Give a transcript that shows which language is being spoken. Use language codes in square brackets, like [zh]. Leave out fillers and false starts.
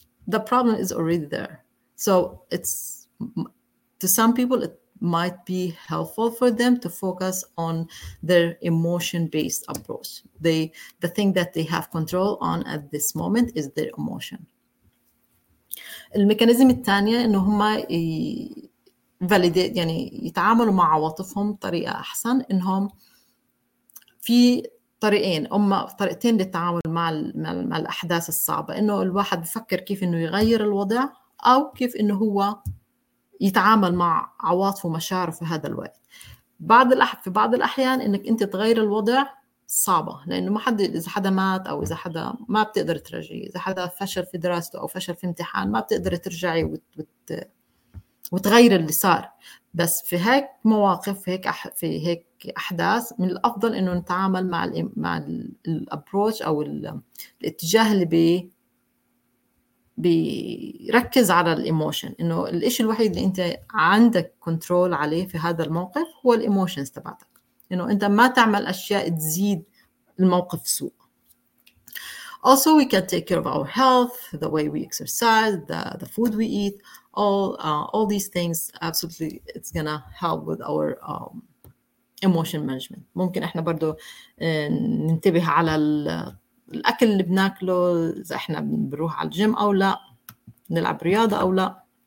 [en] The problem is already there. So it's, to some people, it might be helpful for them to focus on their emotion-based approach. The thing that they have control on at this moment is their emotion. [ar] الميكانيزم الثانية إنه هما validate, يعني يتعاملوا مع عواطفهم طريقة أحسن, إنهم في طريقين, أما طريقتين للتعامل مع الأحداث الصعبة, إنه الواحد بفكر كيف إنه يغير الوضع أو كيف إنه هو يتعامل مع عواطفه ومشاعره في هذا الوقت. في بعض الأحيان إنك أنت تغير الوضع صعبة, لأنه ما حد, إذا حدا مات أو إذا حدا ما بتقدر ترجعي, إذا حدا فشل في دراسته أو فشل في امتحان ما بتقدر ترجعي وتغير اللي صار. بس في هيك مواقف, في هيك أحداث, من الأفضل إنه نتعامل مع الابروتش أو الاتجاه اللي بيركز على الايموشن, انه الاشي الوحيد اللي انت عندك كنترول عليه في هذا الموقف هو الايموشنز تبعتك, انه انت ما تعمل اشياء تزيد الموقف سوء. [en] Also we can take care of our health, the way we exercise, the food we eat, all these things, absolutely it's gonna help with our emotion management. [ar] ممكن احنا برضو ننتبه على الأكل اللي بناكله, إذا إحنا بنروح على الجيم أو لا, نلعب رياضة أو لا.